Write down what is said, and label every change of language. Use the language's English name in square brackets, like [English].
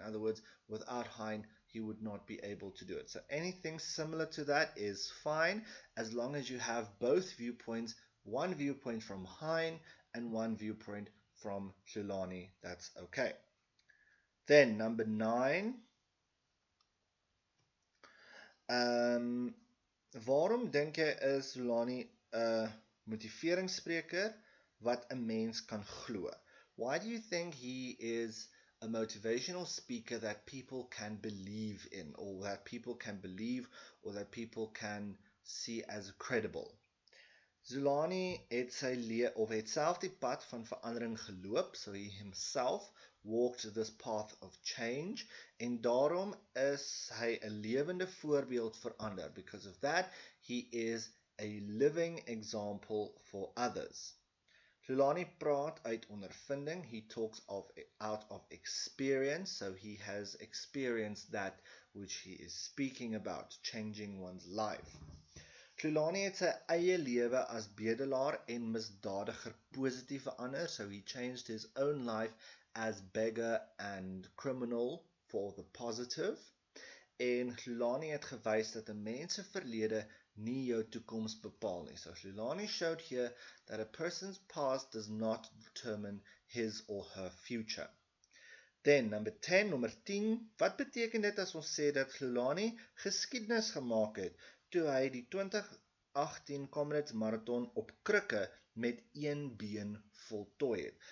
[English] In other words, without Hein, he would not be able to do it. So anything similar to that is fine, as long as you have both viewpoints, one viewpoint from Hein and one viewpoint from Lulani, that's okay. Then, number 9. [Afrikaans] Waarom denk jy is Lulani a motiveringsspreker wat 'n mens kan glo? [English] Why do you think he is a motivational speaker that people can believe in, or that people can believe, or that people can see as credible? [Afrikaans] Lulani het sy lewe of het self die pad van verandering geloop, [English] so he himself walked this path of change, [Afrikaans] en daarom is hy 'n lewende voorbeeld vir ander. [English] Because of that, he is a living example for others. [Afrikaans] Lulani praat uit ondervinding, [English] he talks of out of experience, so he has experienced that which he is speaking about, changing one's life. [Afrikaans] Lulani het sy eie lewe as bedelaar en misdadiger positief verander, [English] so he changed his own life as beggar and criminal for the positive. [Afrikaans] En Lulani het gewys dat 'n mens se verlede nie jou toekoms bepaal nie. [English] So Lulani showed here that a person's past does not determine his or her future. [Afrikaans] Then, nommer 10, wat beteken dit as ons sê dat Lulani geskiedenis gemaak het toe hy die 2018 Comrades Marathon op krikke met een been voltooi het?